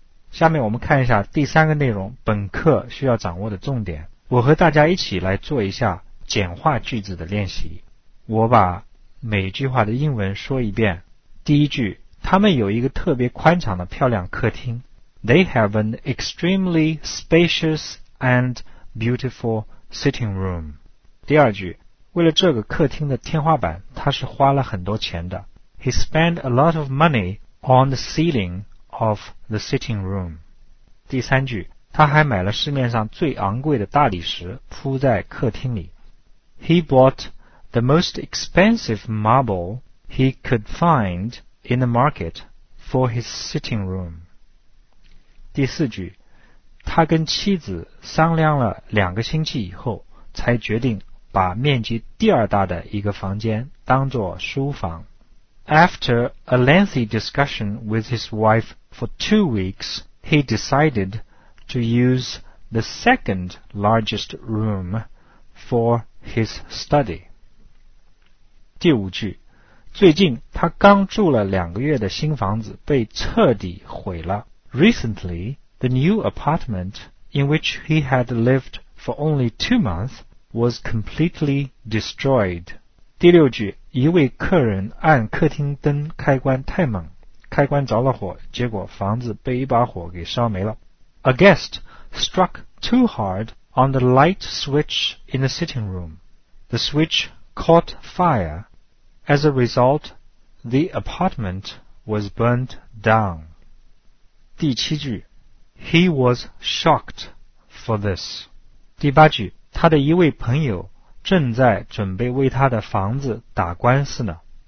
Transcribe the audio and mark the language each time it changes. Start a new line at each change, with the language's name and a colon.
Chinese: 下面我们看一下第三个内容，本课需要掌握的重点。我和大家一起来做一下简化句子的练习。我把每句话的英文说一遍。第一句，他们有一个特别宽敞的漂亮客厅。
English: They have an extremely spacious and beautiful sitting room.
Chinese: 第二句，为了这个客厅的天花板，他是花了很多钱的。
English: He spent a lot of money on the ceiling of the sitting room.
Chinese: 第三句，他还买了市面上最昂贵的大理石铺在客厅里。
English: He bought the most expensive marble he could find in the market for his sitting room.
Chinese: 第四句，他跟妻子商量了两个星期以后，才决定把面积第二大的一个房间当作书房。
English: After a lengthy discussion with his wife for 2 weeks, he decided to use the second largest room for his study.
Chinese: 第五句，最近他刚住了两个月的新房子被彻底毁了。
English: Recently, the new apartment in which he had lived for only 2 months was completely destroyed.
Chinese: 第六句，一位客人按客厅灯开关太猛，开关着了火，结果房子被一把火给烧没了。
English: A guest struck too hard on the light switch in the sitting room. The switch caught fire. As a result, the apartment was burnt down.
Chinese: 第七句
English: He was shocked for this.
Chinese: 第八句，他的一位朋友正在准备为他的房子打官司呢。